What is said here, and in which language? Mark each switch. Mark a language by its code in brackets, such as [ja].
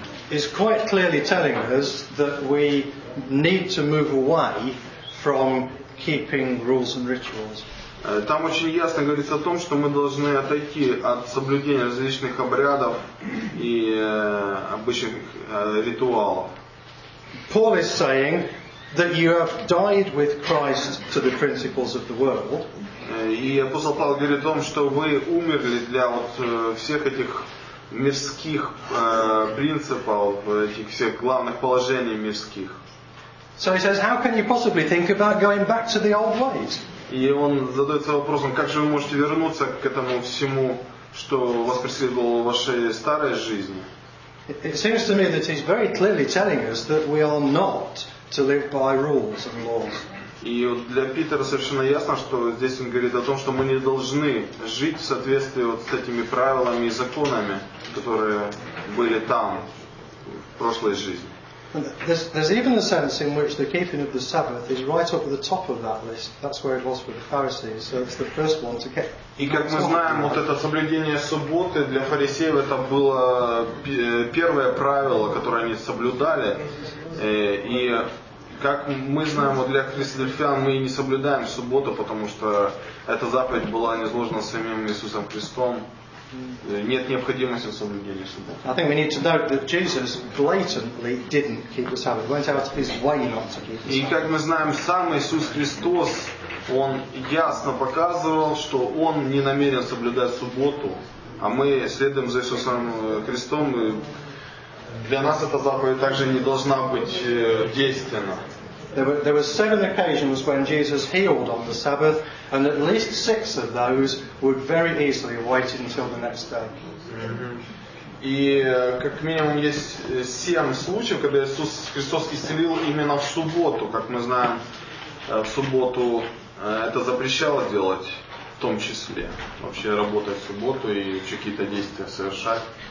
[en] is quite clearly telling us that we need to move away from keeping rules and rituals. [ru] Там очень ясно говорится о том, что мы должны отойти от соблюдения различных обрядов и обычных ритуалов. [en] Paul is saying that you have died with Christ to the principles of the world. [ru] И апостол Павел говорит о том, что вы умерли для вот всех этих мирских принципов, этих всех главных положений мирских. [en] So he says, how can you possibly think about going back to the old ways? [ru] И он задается вопросом, как же вы можете вернуться к этому всему, что вас преследовало в вашей старой жизни? [en] It seems to me that he's very clearly telling us that we are not to live by rules and laws. [ru] И вот для Питера совершенно ясно, что здесь он говорит о том, что мы не должны жить в соответствии вот с этими правилами и законами, которые были там в прошлой жизни. [en] There's even a sense in which the keeping of the Sabbath is right up at the top of that list. That's where it was for the Pharisees, so it's the first one to keep. [ru] И как мы знаем, вот это соблюдение субботы для фарисеев это было первое правило, которое они соблюдали. И как мы знаем, вот для христиан мы не соблюдаем субботу, потому что эта заповедь была низложена самим Иисусом Христом. Нет необходимости в соблюдении субботы. [en] I think we need to note that Jesus blatantly didn't keep the Sabbath. Went out of his way not to keep the Sabbath. [ru] И как мы знаем, сам Иисус Христос, он ясно показывал, что он не намерен соблюдать субботу, а мы следуем за Иисусом Христом, и для нас эта заповедь также не должна быть действенна. [en] There were seven occasions when Jesus healed on the Sabbath, and at least six of those would very easily wait until the next day. [ru] И как минимум есть семь случаев, когда Иисус Христос исцелил именно в субботу, как мы знаем, в субботу это запрещало делать, в том числе вообще работать в субботу и еще какие-то действия совершать.